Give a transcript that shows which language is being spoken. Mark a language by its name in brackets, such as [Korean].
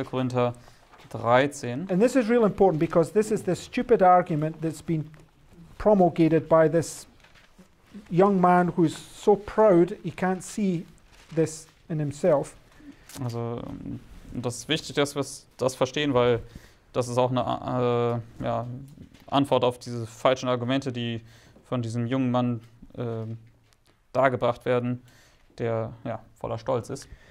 [German] Korinther 13. [English] And this is real important because this is the stupid argument that's been promulgated by this young man who's so proud he can't see this in himself. [German] Also, das ist wichtig, dass wir das verstehen, weil das ist auch eine Antwort auf diese falschen Argumente, die von diesem jungen Mann dargebracht werden, der ja voller Stolz ist.